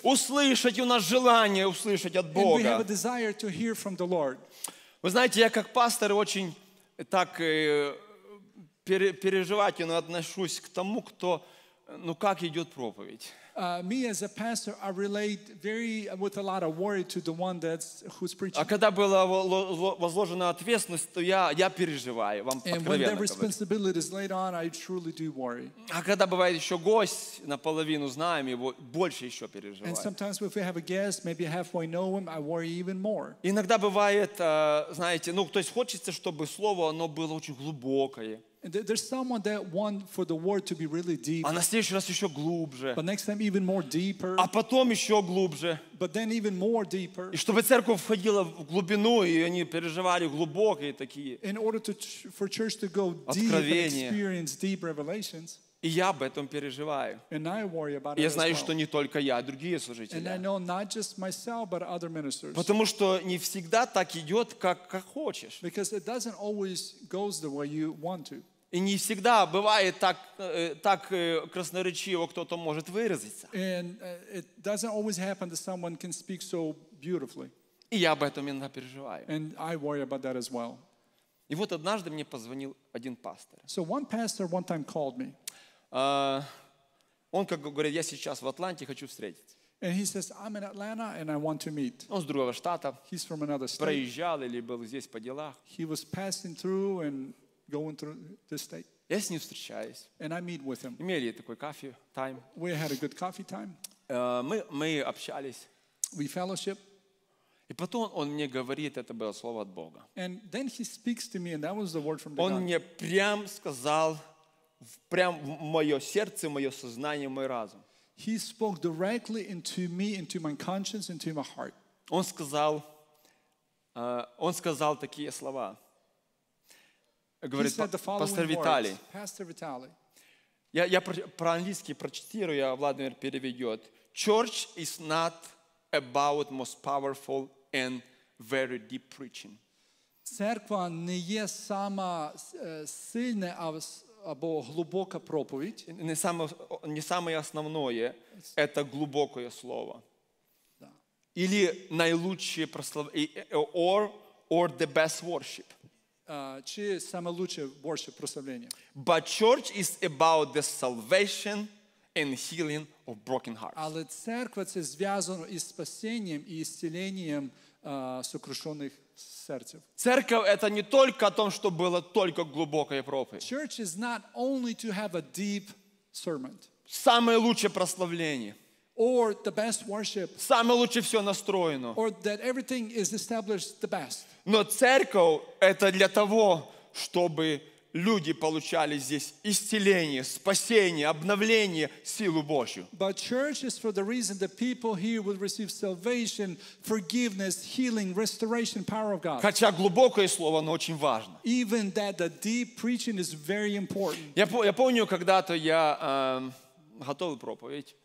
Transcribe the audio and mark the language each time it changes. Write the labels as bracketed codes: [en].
[ru] услышать, у нас желание услышать от Бога. [en] And we have a desire to hear from the Lord. [ru] Вы знаете, я как пастор очень так переживательно отношусь к тому, кто, ну как идет проповедь. [en] Me as a pastor, I relate very with a lot of worry to the one that's who's preaching. [ru] А когда была возложена ответственность, то я переживаю. Вам откровенно говорю. [en] And when the responsibility is laid on, I truly do worry. [ru] А когда бывает еще гость, наполовину знаем его, больше еще переживаю. [en] And sometimes if we have a guest, maybe halfway know him, I worry even more. [ru] Иногда бывает, знаете, ну то есть хочется, чтобы слово оно было очень глубокое. [en] And there's someone that wants for the word to be really deep. [ru] А на следующий раз еще глубже. [en] But next time even more deeper. [ru] А потом еще глубже. [en] But then even more deeper. [ru] И чтобы церковь входила в глубину, и они переживали глубокие такие. [en] In order to, for church to go deep and experience deep revelations. [ru] И я об этом переживаю. [en] And I worry about [ru] я [en] it as [ru] знаю, [en] well. [ru] Я знаю, что не только я, а другие служители. [en] And I know not just myself, but other ministers. [ru] Потому что не всегда так идет, как хочешь. [en] Because it doesn't always goes the way you want to. [ru] И не всегда бывает так красноречиво кто-то может выразиться. [en] And it doesn't always happen that someone can speak so beautifully. [ru] И я об этом иногда переживаю. [en] And I worry about that as well. [ru] И вот однажды мне позвонил один пастор. [en] So one pastor one time called me. [ru] Он как говорит, я сейчас в Атланте, хочу встретиться. [en] And he says, I'm in Atlanta and I want to meet. [ru] Он с другого штата. [en] He's from another state. [ru] Проезжал или был здесь по делах. [en] He was passing through and going through the state. [ru] Я с ним встречаюсь. [en] And I meet with him. [ru] Имели такой кофе time. [en] We had a good coffee time. [ru] Мы общались. [en] We fellowship. [ru] И потом он мне говорит, это было слово от Бога. [en] And then he speaks to me and that was the word from the [ru] он [en] God. [ru] Он мне прям сказал, прям в мое сердце, в мое сознание, в мой разум. [en] He spoke directly into me, into my conscience, into my heart. [ru] Он сказал такие слова. Говорит, [en] he said the following [ru] Пастор Виталий, [en] words. Pastor Vitaly. [ru] Я про английский процитирую, Владимир переведет. [en] Church is not about most powerful and very deep preaching. [uk] Церковь не є сама сильна, а або глубока проповідь. [ru] Не самое основное, это глубокое слово. Или наилучшее прославление, [en] or the best worship. [uk] Чи саме лучше worship, прославление. [en] But church is about the salvation and healing of broken hearts. [uk] Але церква це зв'язано із спасенням і зціленням сокрушених серців. [ru] Церковь это не только о том, что было только глубокая проповедь. [en] Church is not only to have a deep sermon. [ru] Самое лучшее прославление. [en] Or the best worship. [ru] Самое лучшее все настроено. [en] Or that everything is established the best. [ru] Но церковь это для того, чтобы люди получали здесь исцеление, спасение, обновление, силу Божью. [en] But church is for the reason that people here will receive salvation, forgiveness, healing, restoration, power of God. [ru] Хотя глубокое слово, оно очень важно. [en] Even that the deep preaching is very important. [ru] Я помню, когда-то я готовил проповедь.